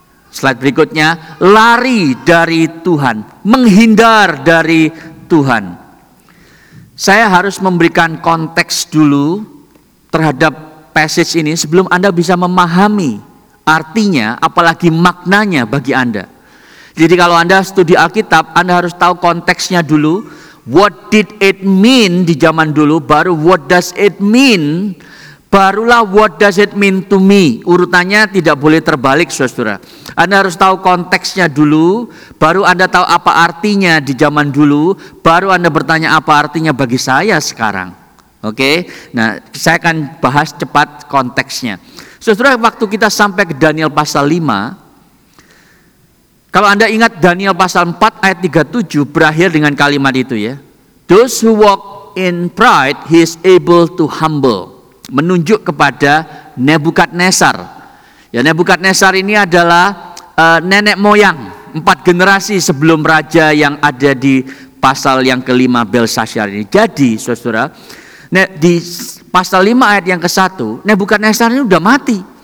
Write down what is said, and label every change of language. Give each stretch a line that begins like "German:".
Indonesian: Slide berikutnya, lari dari Tuhan, menghindar dari Tuhan. Saya harus memberikan konteks dulu terhadap passage ini sebelum Anda bisa memahami artinya, apalagi maknanya bagi Anda. Jadi kalau Anda studi Alkitab, Anda harus tahu konteksnya dulu.
English: What did it mean
Indonesian: di zaman dulu, baru
English: what does it mean,
Indonesian: barulah
English: what does it mean to me.
Indonesian: Urutannya tidak boleh terbalik, saudara. Anda harus tahu konteksnya dulu, baru Anda tahu apa artinya di zaman dulu, baru Anda bertanya apa artinya bagi saya sekarang. Oke, nah saya akan bahas cepat konteksnya. Saudara, waktu kita sampai ke Daniel pasal 5, kalau Anda ingat Daniel pasal 4 ayat 37 berakhir dengan kalimat itu ya.
English: Those who walk in pride, he is able to humble.
Indonesian: Menunjuk kepada Nebukadnezar. Ya, Nebukadnezar ini adalah nenek moyang 4 generasi sebelum raja yang ada di pasal yang kelima Belshazzar ini. Jadi, saudara, di pasal 5 ayat yang ke-1, Nebukadnezar ini sudah mati.